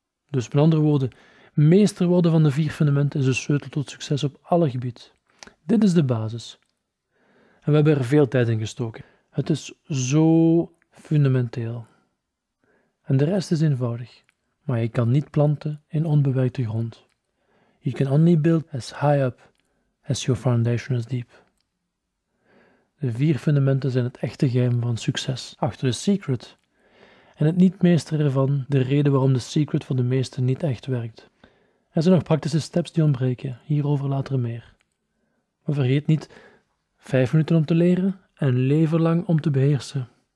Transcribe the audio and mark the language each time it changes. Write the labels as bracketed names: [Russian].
[Dutch] Dus met andere woorden, meester worden van de 4 fundamenten is de sleutel tot succes op alle gebied. Dit is de basis. En we hebben er veel tijd in gestoken. Het is zo fundamenteel. En de rest is eenvoudig. Maar je kan niet planten in onbewerkte grond. [English] You can only build as high up as your foundation is deep. [Dutch] De vier fundamenten zijn het echte geheim van succes achter The Secret. En het niet meesteren ervan de reden waarom The Secret voor de meesten niet echt werkt. Er zijn nog praktische steps die ontbreken, hierover later meer. Maar vergeet niet 5 minuten om te leren en een leven lang om te beheersen.